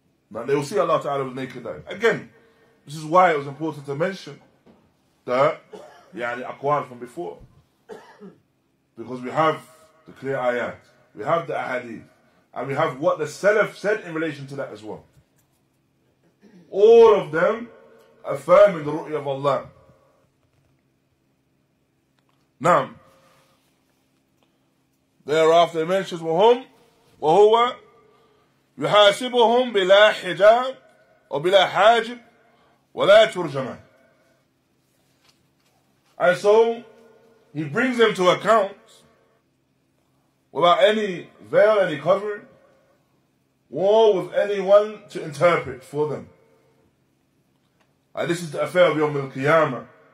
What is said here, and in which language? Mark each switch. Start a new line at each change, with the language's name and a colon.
English: Now they will see Allah Ta'ala with naked eye. Again, this is why it was important to mention that yani aqwal from before. Because we have the clear ayat, we have the ahadith, and we have what the Salaf said in relation to that as well. All of them affirming the ru'ya of Allah. Now, thereafter he mentions
Arabic: وَهُمْ وَهُوَ يُحَاسِبُهُمْ بِلَا حِجَابٍ وَبِلَا حَاجِبٍ وَلَا تُرْجَمَةٍ.
English: And so, he brings them to account without any veil, any covering, or with anyone to interpret for them. And this is the affair of Yawm al-Qiyamah.